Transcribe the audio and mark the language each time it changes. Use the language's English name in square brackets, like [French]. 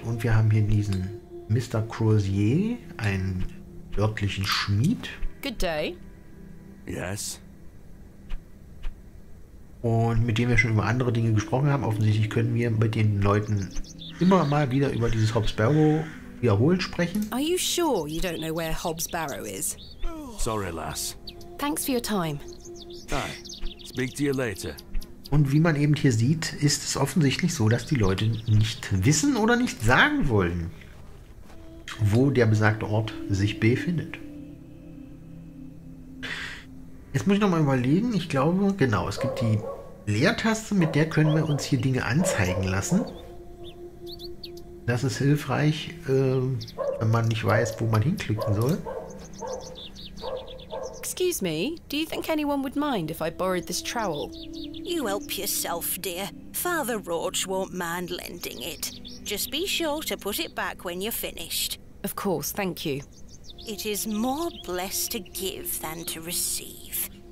[German] Und wir haben hier diesen Mr. Crozier, einen örtlichen Schmied. [English] Good day. Yes. [German] Und mit dem wir schon über andere Dinge gesprochen haben, offensichtlich können wir mit den Leuten immer mal wieder über dieses Hobbs Barrow wiederholt sprechen. [English] Are you sure you don't know where Hobbs Barrow is? Sorry, lass. Thanks for your time. Hi. Speak to you later. [German] Und wie man eben hier sieht, ist es offensichtlich so, dass die Leute nicht wissen oder nicht sagen wollen, wo der besagte Ort sich befindet. Jetzt muss ich nochmal überlegen. Ich glaube, genau, es gibt die Leertaste, mit der können wir uns hier Dinge anzeigen lassen. Das ist hilfreich, wenn man nicht weiß, wo man hinklicken soll. [English] Excuse me, do you think anyone would mind if I borrowed this trowel? You help yourself, dear. Father Roach won't mind lending it. Just be sure to put it back when you're finished. Of course, thank you. It is more blessed to give than to receive.